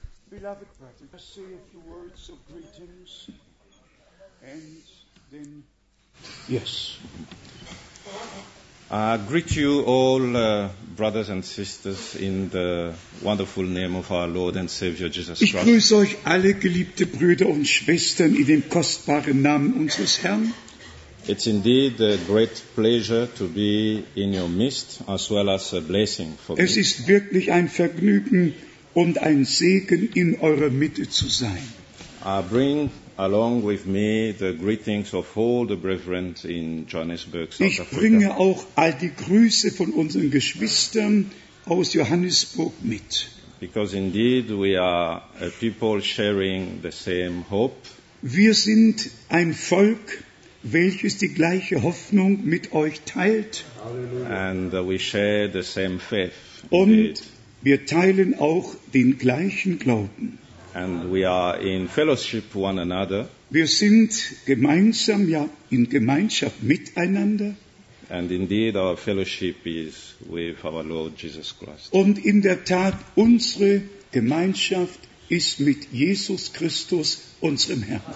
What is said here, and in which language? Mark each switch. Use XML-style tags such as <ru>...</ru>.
<en>Beloved brothers, I say a few words of greetings and then... Yes. I greet you all, brothers and sisters, in the wonderful name of our Lord and Savior Jesus Christ.</en> <de>Ich grüße euch alle, geliebte Brüder und Schwestern, in dem kostbaren Namen unseres Herrn.</de> <en>It's indeed a great pleasure to be in your midst, as well as a blessing for</en> <de>me. Es ist wirklich ein Vergnügen und ein Segen, in eurer Mitte zu sein.</de> <en>I bring along with me the greetings of all the brethren in Johannesburg, South</en> <de>Africa. Ich bringe auch all die Grüße von unseren Geschwistern aus Johannesburg mit.</de> <en>Because indeed we are a people sharing the same hope.</en> <de>Wir sind ein Volk, welches die gleiche Hoffnung mit euch teilt.</de> <en>And we share the same faith.</en> <de>Und wir teilen auch den gleichen Glauben.</de> <en>And we are in fellowship one another.</en> <de>Wir sind gemeinsam, ja, in Gemeinschaft miteinander.</de> <en>And indeed our fellowship is with our Lord Jesus Christ.</en> <de>Und in der Tat, unsere Gemeinschaft ist mit Jesus Christus, unserem Herrn.</de>